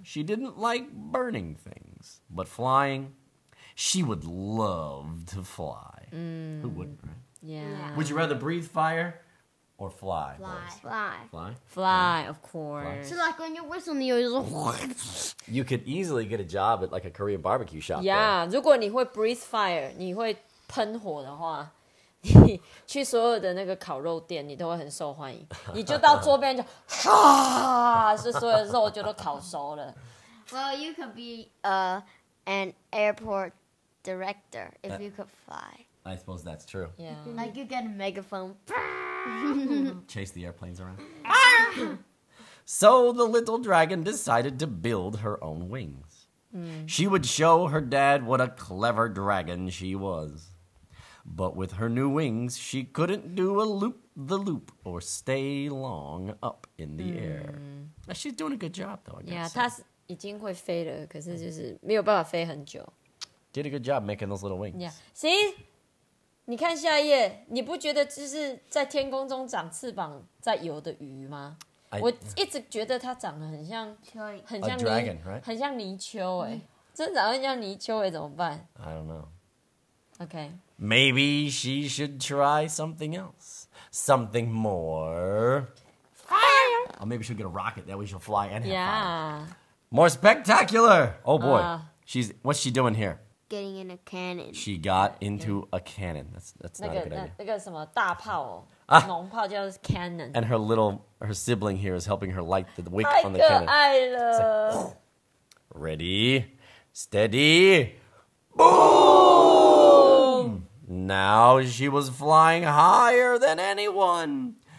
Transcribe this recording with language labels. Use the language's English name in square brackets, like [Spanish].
[English] She didn't like burning things. But flying, she would love to fly. Who wouldn't, right? Yeah. Would you rather breathe fire or fly? Fly. Of course. Fly. So like when you whistle in the air, you could easily get a job at like a Korean barbecue shop. [Chinese] Yeah, 如果你会 [English] breathe fire, [Chinese] 你会喷火的话，你去所有的那个烤肉店，你都会很受欢迎。你就到桌边就哈，是所有肉就都烤熟了。 [English] Well, you could be an airport director if you could fly. I suppose that's true. Yeah. Like you get a megaphone. Chase the airplanes around. So the little dragon decided to build her own wings. She would show her dad what a clever dragon she was. But with her new wings, she couldn't do a loop the loop or stay long up in the air. She's doing a good job, though, I guess. [Chinese] Yeah, 她已经会飞了，可是就是没有办法飞很久。 [English] Did a good job making those little wings. Yeah. See? [Chinese] 你看下一页，你不觉得就是在天空中长翅膀在游的鱼吗？我一直觉得它长得很像，很像 [English] a dragon, right? [Chinese] 很像泥鳅诶，真长得像泥鳅诶，怎么办 [English] ？I don't know. Okay. Maybe she should try something else. Something more... Fire! Or maybe she'll get a rocket, that way she'll fly and have yeah. fire. More spectacular! Oh boy, what's she doing here? Getting in a cannon. She got into a cannon. That's not a good idea. [Chinese] 那个什么大炮哦、农炮叫做 cannon. [English] And her sibling here is helping her light the wick on the cannon. [Chinese] 太可爱了。 [English] Ready, steady, boom! Now she was flying higher than anyone.